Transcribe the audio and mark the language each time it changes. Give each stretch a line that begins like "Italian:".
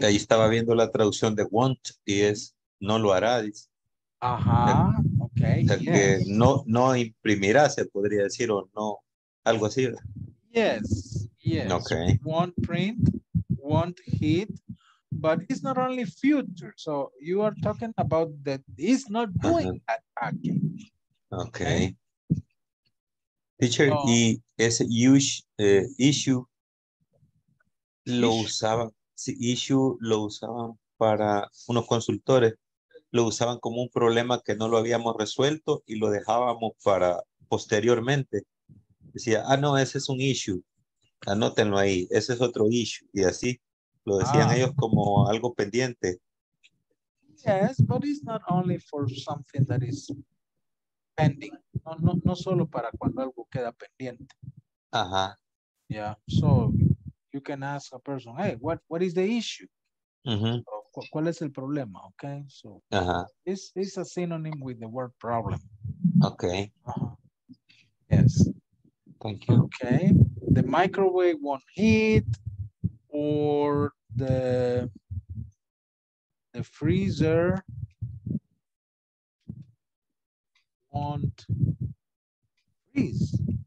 Spanish: Ahí estaba viendo la traducción de won't y es no lo hará.
English: Okay.
Spanish: O sea, yes. Que no imprimirá, se podría decir, o no, algo así.
English: Yes. Okay. Won't print, won't hit, but it's not only future. So you are talking about that it's not doing that action. Okay.
Spanish: Teacher, oh. Y ese issue lo usaban, sí, issue lo usaban para unos consultores, lo usaban como un problema que no lo habíamos resuelto y lo dejábamos para posteriormente. Decía, ah, no, ese es un issue, anótenlo ahí, ese es otro issue, y así lo decían ellos como algo pendiente.
English: Yes, but it's not only for something that is pending.
Spanish: No, no, no solo para cuando algo queda pendiente. Ajá.
English: Yeah, so you can ask a person, hey, what is the issue? Uh-huh.
Spanish: ¿Cuál es el problema?
English: Okay, so it's a synonym with the word problem. Okay. Uh-huh. Yes. Thank you. Okay, the microwave won't heat, or the freezer won't freeze.